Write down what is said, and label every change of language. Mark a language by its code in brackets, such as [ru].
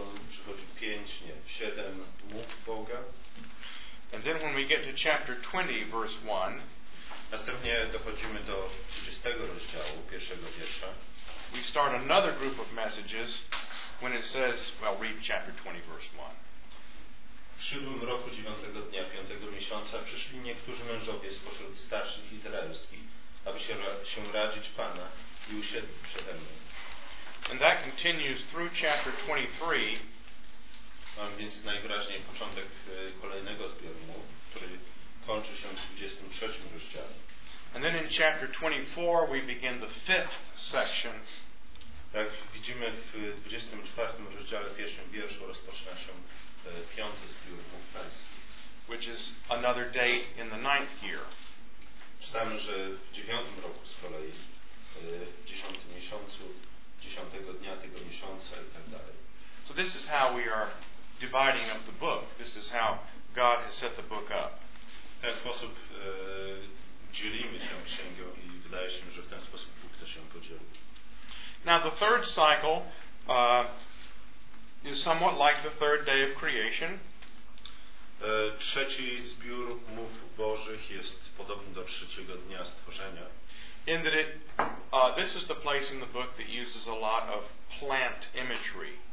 [pl] przychodzi 5, nie, 7 mów Boga. [en] And then when we get to chapter 20, verse 1, [pl] następnie dochodzimy do 30 rozdziału, pierwszego wiersza. [en] We start another group of messages when it says, well, read chapter 20, verse 1. [pl] W 7 roku 9 dnia 5 miesiąca przyszli niektórzy mężowie spośród starszych izraelskich, aby się radzić Pana i usiedli przede mną. [en] And that continues through chapter 23. [pl] Więc najwyraźniej początek kolejnego zbioru, który kończy się w 23 rozdziale. [en] And then in chapter 24 we begin the fifth section. [pl] Jak widzimy w 24 rozdziale, pierwszym wierszu, rozpoczyna się piąty zbiór mów pańskich. [en] Which is another date in the ninth year. [pl] Czytamy, że w 9 roku z kolei, w 10 miesiącu, 10 dnia tego miesiąca i tak dalej. [en] So this is how we are dividing up the book. This is how God has set the book up. [pl] W ten sposób dzielimy tę księgę i wydaje się, że w ten sposób Bóg też ją podzielił. [en] Now the third cycle is somewhat like the third day of creation. [pl] Trzeci zbiór mów Bożych jest podobny do trzeciego dnia stworzenia. [en] In that it, this is the place in the book that uses a lot of plant imagery.